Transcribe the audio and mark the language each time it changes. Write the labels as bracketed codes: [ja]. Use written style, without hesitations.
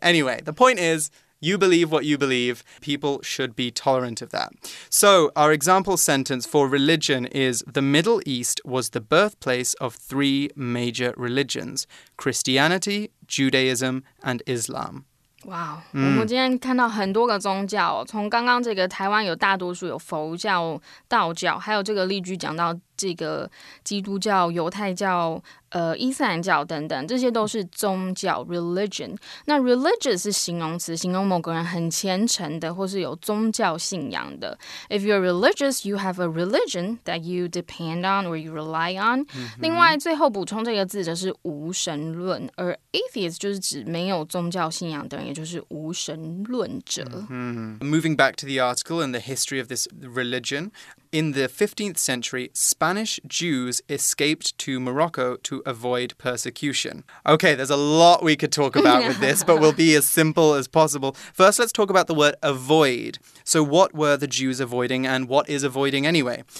[en] Anyway, the point is, you believe what you believe. People should be tolerant of that. So our example sentence for religion is, the Middle East was the birthplace of three major religions, Christianity, Judaism, and Islam. [zh] Wow, 我们今天看到很多个宗教，从刚刚这个台湾有大多数有佛教、道教，还有这个例句讲到这个基督教、犹太教、伊斯兰教等等，这些都是宗教 religion。那 religious 是形容词，形容某个人很虔诚的，或是有宗教信仰的。 [en] If you're religious, you have a religion that you depend on or you rely on.、 Mm-hmm. [zh] 另外，最后补充这个字的是无神论，而 atheist 就是指没有宗教信仰的人，也就是无神论者。 Mm-hmm. [en] Moving back to the article and the history of this religion. In the 15th century, Spanish Jews escaped to Morocco to avoid persecution. Okay, there's a lot we could talk about with this, but we'll be as simple as possible. First, let's talk about the word avoid. So what were the Jews avoiding and what is avoiding anyway?